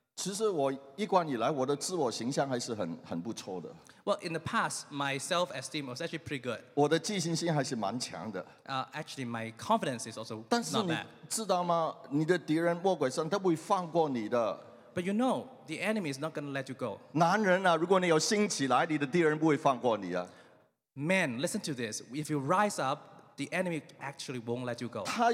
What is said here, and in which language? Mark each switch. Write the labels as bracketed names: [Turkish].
[Chinese] 其实我一贯以来我的自我形象还是很不错的。 [English] Well, in the past, my self-esteem was actually pretty good. [Chinese] 我的自信心还是蛮强的。 [English] Actually, my confidence is also not bad. [Chinese] 但是你知道吗？你的敌人魔鬼神他不会放过你的。 [English] But you know, the enemy is not going to let you go. [Chinese] 男人啊， 如果你有兴起来， 你的敌人不会放过你啊。 [English] Man, listen to this. If you rise up, the enemy actually won't let you go.